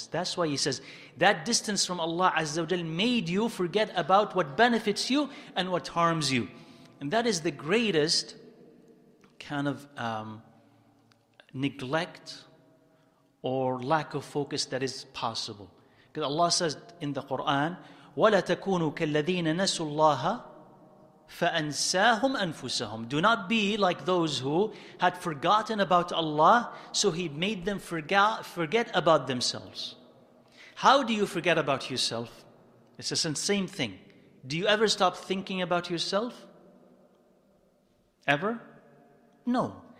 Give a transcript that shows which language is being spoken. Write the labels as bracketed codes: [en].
[en] That's why He says, that distance from Allah Azza wa Jal made you forget about what benefits you and what harms you. And that is the greatest kind of neglect or lack of focus that is possible. Because Allah says in the Quran, [ar] وَلَا تَكُونُوا كَالَّذِينَ نَسُوا اللَّهَ فَأَنْسَاهُمْ أَنفُسَهُمْ. [en] Do not be like those who had forgotten about Allah, so He made them forget about themselves. How do you forget about yourself? It's the same thing. Do you ever stop thinking about yourself? Ever? No.